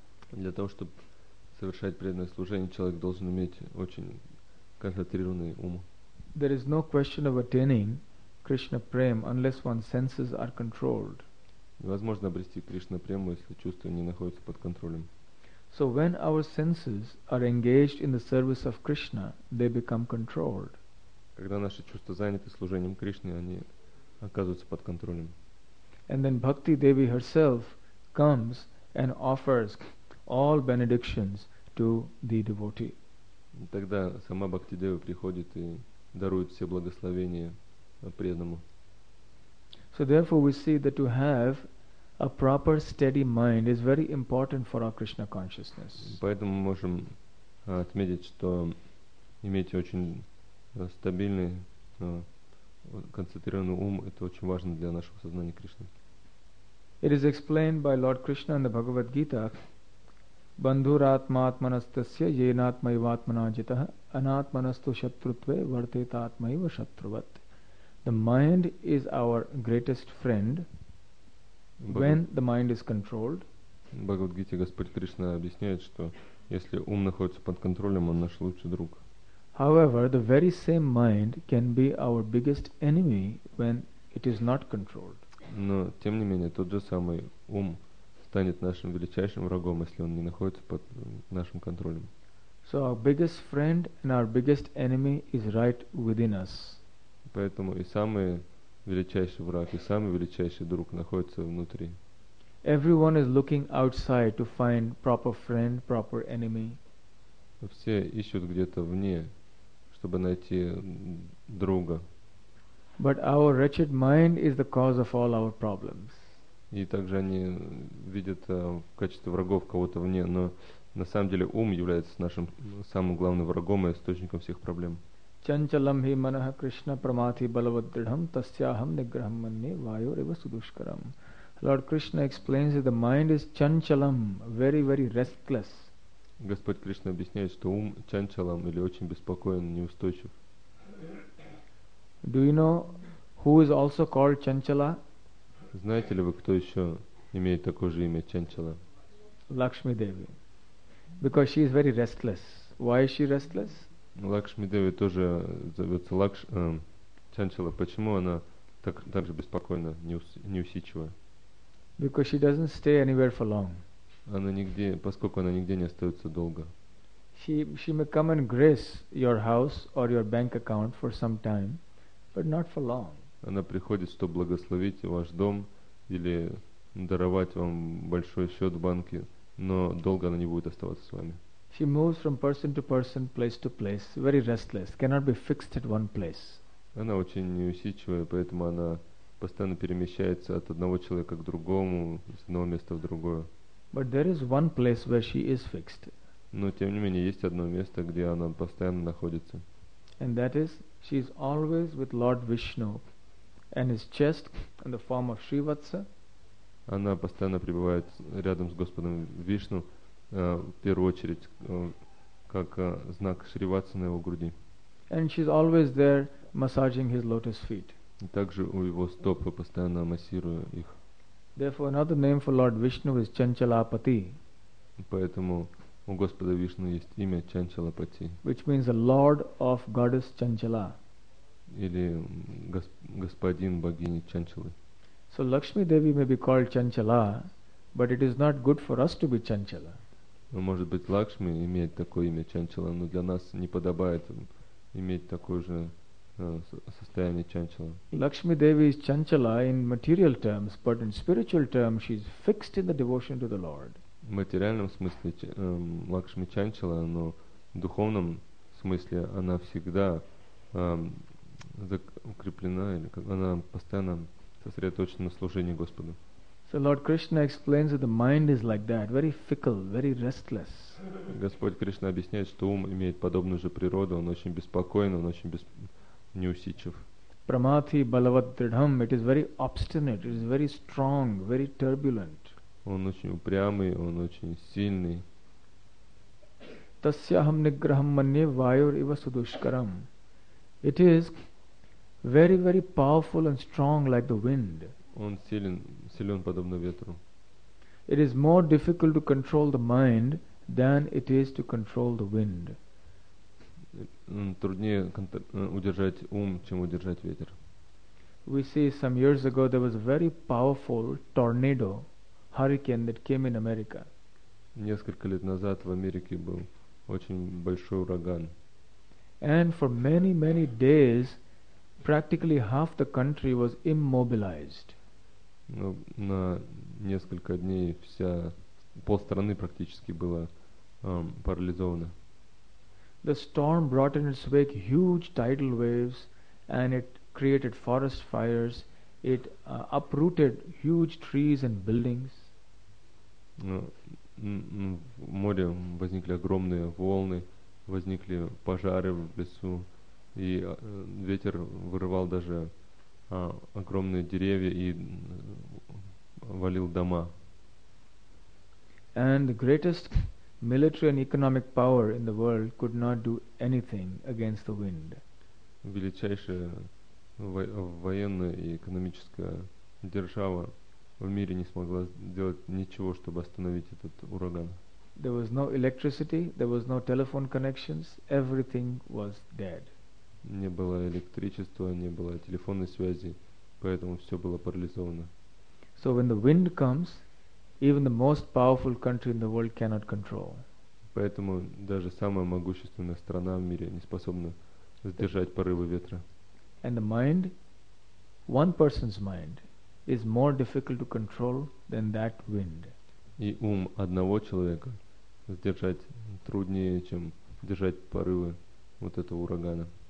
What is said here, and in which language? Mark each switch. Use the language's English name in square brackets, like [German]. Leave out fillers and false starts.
[Russian] Для того, чтобы совершать преданное служение, человек должен иметь очень концентрированный ум. [English] There is no question of attaining Krishna prema unless one's senses are controlled. [Russian] Невозможно обрести Кришна прему, если чувства не находятся под контролем. [English] So when our senses are engaged in the service of Krishna, they become controlled. [Russian] Когда наши чувства заняты служением Кришне, они оказываются под контролем. [English] And then Bhakti Devi herself comes and offers all benedictions to the devotee. [Russian] И тогда сама Бхакти Деви приходит и дарует все благословения преданному. [English] So therefore we see that to have a proper steady mind is very important for our Krishna consciousness. [Russian] Поэтому мы можем отметить, что иметь очень стабильный концентрированный ум, это очень важно для нашего сознания Кришны. [English] It is explained by Lord Krishna in the Bhagavad Gita, [Sanskrit] Bandhuratmaatmanastasya yenatmaivatmanajitah anatmanastu shatrutve vartetatmaiva shatruvat. [English] The mind is our greatest friend when the mind is controlled. [Russian] В Бхагавад Гите Господь Кришна объясняет, что если ум находится под контролем, он наш лучший друг. [English] However, the very same mind can be our biggest enemy when it is not controlled. [Russian] Но тем не менее, тот же самый ум станет нашим величайшим врагом, если он не находится под нашим контролем. [English] So our biggest friend and our biggest enemy is right within us. [Russian] Поэтому и самый величайший враг, и самый величайший друг находится внутри. [English] Everyone is looking outside to find proper friend, proper enemy. [Russian] Все ищут где-то вне, чтобы найти друга. [English] But our wretched mind is the cause of all our problems. [Russian] И также они видят в качестве врагов кого-то вне, но на самом деле ум является нашим самым главным врагом и источником всех проблем. [Sanskrit] Чанчалам хи манаха Кришна прамати балаваддрадхам тасьяхам ниграхам манне вайорива судушкарам. [English] Lord Krishna explains that the mind is chanchalam, very very restless. [Russian] Господь Кришна объясняет, что ум чанчалам или очень беспокоен, неустойчив. [English] Do you know who is also called Chanchala? [Russian] Знаете ли вы, кто еще имеет такое же имя Чанчала? [English] Лакшми Деви. Because she is very restless. Why is she restless? [Russian] Лакшми Деви тоже зовется Лакш, Чанчала. Почему она так же беспокойна, неусидчива? [English] Because she doesn't stay anywhere for long. [Russian] Она нигде, поскольку она нигде не остается долго. [English] She may come and grace your house or your bank account for some time, but not for long. [Russian] Она приходит, чтобы благословить ваш дом или даровать вам большой счет в банке, но долго она не будет оставаться с вами. [English] She moves from person to person, place to place, very restless, cannot be fixed at one place. [Russian] Она очень неусидчивая, поэтому она постоянно перемещается от одного человека к другому, с одного места в другое. [English] But there is one place where she is fixed. [Russian] Но тем не менее есть одно место, где она постоянно находится. [English] And that is, she is always with Lord Vishnu and his chest in the form of Sri Vatsa. [Russian] Она постоянно пребывает рядом с Господом Вишну, в первую очередь, как знак Шри Ватса на его груди. [English] And she's always there massaging his lotus feet. [Russian] И также у его стоп постоянно массируя их. [English] Therefore, another name for Lord Vishnu is Chanchalapati. [Russian] Поэтому у Господа Вишну есть имя Чанчалапати. [English] Which means the Lord of Goddess Chanchala. [Russian] Или господин богини Чанчалы. [English] So Lakshmi Devi may be called Chanchala, but it is not good for us to be Chanchala. [Russian] Ну, может быть, Лакшми имеет такое имя Чанчала, но для нас не подобает иметь такое же состояние Чанчала. [English] Lakshmi Devi is Chanchala in material terms, but in spiritual terms she is fixed in the devotion to the Lord. [Russian] В материальном смысле Лакшми Чанчала, но в духовном смысле она всегда закреплена, или как она постоянно сосредоточена на служении Господу. [English] So Lord Krishna explains that the mind is like that, very fickle, very restless. [Russian] Господь Кришна объясняет, что ум имеет подобную же природу, он очень беспокойный, он очень неусидчив. [Sanskrit] Pramathi balavat dridham, [English] it is very obstinate, it is very strong, very turbulent. [Russian] Он очень упрямый, он очень сильный. [Sanskrit] Tasyaham nigraham manye vayur iva sudushkaram. [English] It is very, very powerful and strong like the wind. [Russian] Он силен подобно ветру. [English] It is more difficult to control the mind than it is to control the wind. [Russian] Труднее удержать ум, чем удержать ветер. [English] We see some years ago there was a very powerful tornado, hurricane that came in America. [Russian] Несколько лет назад в Америке был очень большой ураган. [English] And for many, many days, practically half the country was immobilized. [Russian] На несколько дней вся полстраны практически была парализована. [English] The storm brought in its wake huge tidal waves, and it created forest fires. It uprooted huge trees and buildings. [Russian] В море возникли огромные волны, возникли пожары в лесу, и ветер вырывал даже огромные деревья и валил дома. [English] And the greatest military and economic power in the world could not do anything against the wind. [Russian] Величайшая военная и экономическая держава в мире не смогла сделать ничего, чтобы остановить этот ураган. [English] There was no electricity, there was no telephone connections, everything was dead. [Russian] Не было электричества, не было телефонной связи, поэтому все было парализовано. [English] So when the wind comes, even the most powerful country in the world cannot control. [Russian] Поэтому даже самая могущественная страна в мире не способна сдержать порывы ветра. [English] And the mind, one person's mind, is more difficult to control than that wind. [Russian] И ум одного человека сдержать труднее, чем держать порывы вот этого урагана.